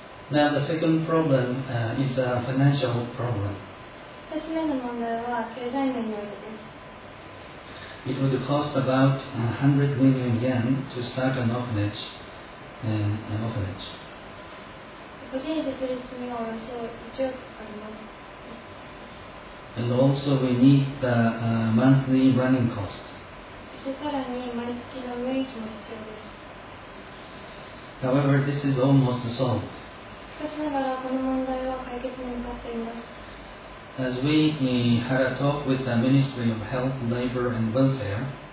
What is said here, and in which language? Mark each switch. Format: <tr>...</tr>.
<en>Now the second problem is a financial problem.</en> <ja>2つ目の問題は経済面においてです。</ja> <en>It would cost about 100 million yen to start an orphanage. An orphanage.</en> <ja>個人設立にはおよそ1億かかります。</ja> <en>And also we need the monthly running cost.</en> <ja>さらに毎月の運営費も必要です。</ja> <en>However, this is almost solved.</en> <ja>しかしながらこの問題は解決に向かっています。</ja> <en>As we had a talk with the Ministry of Health, Labor and Welfare,</en>